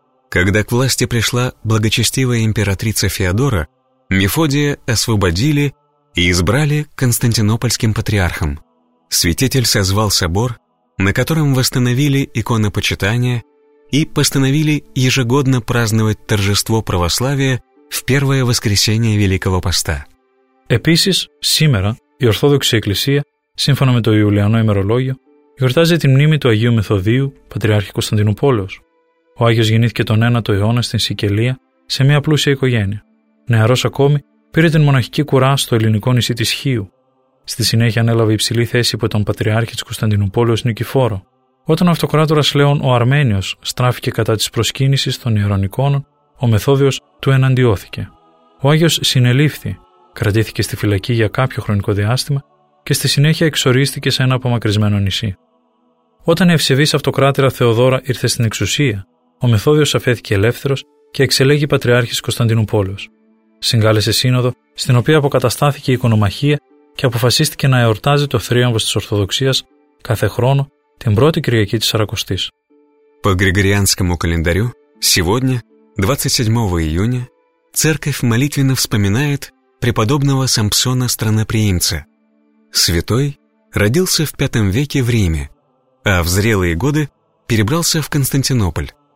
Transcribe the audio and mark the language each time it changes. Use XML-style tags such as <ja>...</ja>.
<ru>Когда к власти пришла благочестивая императрица Феодора, Мефодия освободили и избрали Константинопольским патриархом. Святитель созвал собор, на котором восстановили иконопочитание и постановили ежегодно праздновать торжество православия в первое воскресенье Великого Поста.</ru> <el>Επίσης, σήμερα η Ορθόδοξη Εκκλησία, σύμφωνα με το Ιουλιανό ημερολόγιο, γιορτάζει την μνήμη του Αγίου Μεθοδίου, Πατριάρχη Κωνσταντινούπολεως. Ο Άγιος γεννήθηκε τον 9ο αιώνα στην Σικελία σε μια πλούσια οικογένεια. Νεαρός ακόμη, πήρε την μοναχική κουρά στο ελληνικό νησί της Χίου. Στη συνέχεια ανέλαβε υψηλή θέση υπό τον Πατριάρχη της Κωνσταντινούπολεως Νικηφόρο. Όταν ο Αυτοκράτορας Λέων ο Αρμένιος στράφηκε κατά της προσκύνησης των Ιερών Εικόνων, ο Μεθόδιος του εναντιώθηκε. Ο Άγιος συνελήφθη, κρατήθηκε στη φυλακή για κάποιο χρονικό διάστημα και στη συνέχεια εξορίστηκε σε ένα απομακρυσμένο νησί. Όταν η ευσεβής Αυτοκράτορα Θεοδώρα ήρθε στην εξουσία, ο Μεθόδιος αφέθηκε ελεύθερος και εξελέγει Πατριάρχης Κωνσταντινούπολεως. Συγκάλεσε σύνοδο, στην οποία αποκαταστάθηκε η οικονομαχία και αποφασίστηκε να εορτάζει το θρίαμβος της Ορθοδοξίας κάθε χρόνο την πρώτη Κυριακή της Σαρακοστής.</el> <ru>По Григорианскому календарю, сегодня, 27 июня, церковь молитвенно вспоминает преподобного Самсона Страноприимца. Святой родился в V веке в Риме, а в зрелые годы перебрался в Константинополь.</ru>